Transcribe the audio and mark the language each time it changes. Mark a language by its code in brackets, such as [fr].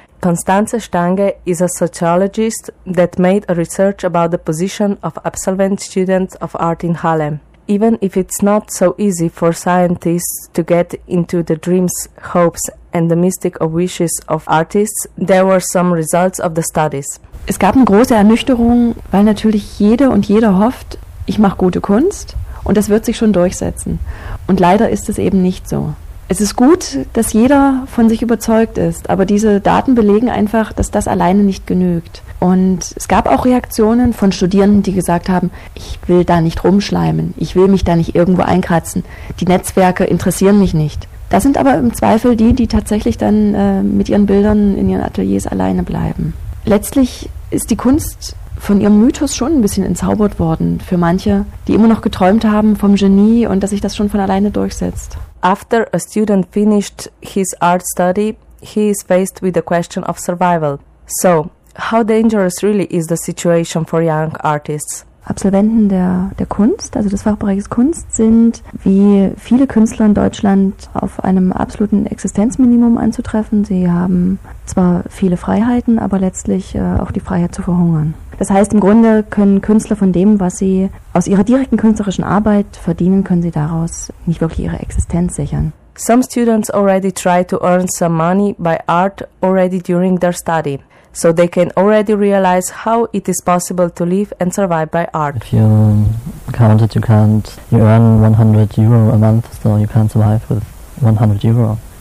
[en] Constanze Stange is a sociologist that made a research about the position of absolvent students of art in Halle. Even if it's not so easy for scientists to get into the dreams, hopes and the mystic of wishes of artists, there were some results of the studies. [de] Es gab eine große Ernüchterung, weil natürlich jede und jeder hofft, ich mache gute Kunst und das wird sich schon durchsetzen. Und leider ist es eben nicht so. Es ist gut, dass jeder von sich überzeugt ist, aber diese Daten belegen einfach, dass das alleine nicht genügt. Und es gab auch Reaktionen von Studierenden, die gesagt haben, ich will da nicht rumschleimen, ich will mich da nicht irgendwo einkratzen, die Netzwerke interessieren mich nicht. Das sind aber im Zweifel die, die tatsächlich dann mit ihren Bildern in ihren Ateliers alleine bleiben. Letztlich ist die Kunst von ihrem Mythos schon ein bisschen entzaubert worden für manche, die immer noch geträumt haben vom Genie und dass sich das schon von alleine durchsetzt. [en] After a student finished his art study, he is faced with the question of survival. So, how dangerous really is the situation for young artists? [de] Absolventen der Kunst, also des Fachbereichs Kunst, sind wie viele Künstler in Deutschland auf einem absoluten Existenzminimum anzutreffen. Sie haben zwar viele Freiheiten, aber letztlich auch die Freiheit zu verhungern. Das heißt, im Grunde können Künstler von dem, was sie aus ihrer direkten künstlerischen Arbeit verdienen, können sie daraus nicht wirklich ihre Existenz sichern. [en] Some students already try to earn some money by art already during their study, so they can already realize how it is possible to live and survive by art. If you count it, you earn 100 euro a month, so you can't survive with 100 euro.